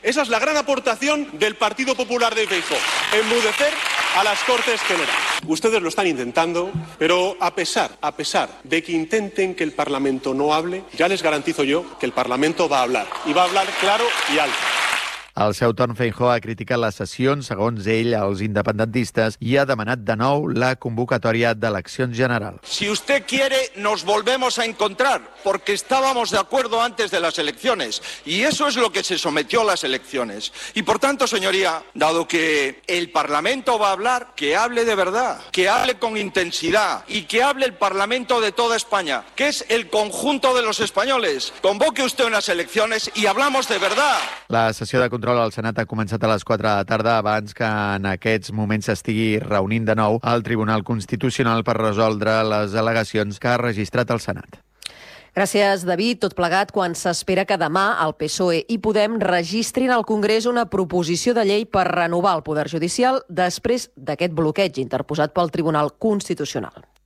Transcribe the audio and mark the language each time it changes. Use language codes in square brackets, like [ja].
[es] Esa es la gran aportación del Partido Popular de Feijóo. Enmudecer a las Cortes Generales. Ustedes lo están intentando, pero a pesar de que intenten que el Parlamento no hable, ya les garantizo yo que el Parlamento va a hablar, y va a hablar claro y alto. [ca] Al seu torn, Feijóo ha criticat les sessions, segons ell, als independentistes, i ha demanat de nou la convocatòria d'eleccions generals. [es] Si usted quiere, nos volvemos a encontrar, porque estábamos de acuerdo antes de las elecciones, y eso es lo que se sometió a las elecciones. Y por tanto, señoría, dado que el Parlamento va a hablar, que hable de verdad, que hable con intensidad, y que hable el Parlamento de toda España, que es el conjunto de los españoles. Convoque usted unas elecciones y hablamos de verdad. [ca] La sessió de control al Senat ha començat a les 4 de la tarda abans que en aquests moments s'estigui reunint de nou el Tribunal Constitucional per resoldre les al·legacions que ha registrat el Senat. Gràcies, David. Tot plegat quan s'espera que demà el PSOE i Podem registrin al Congrés una proposició de llei per renovar el poder judicial després d'aquest bloqueig interposat pel Tribunal Constitucional.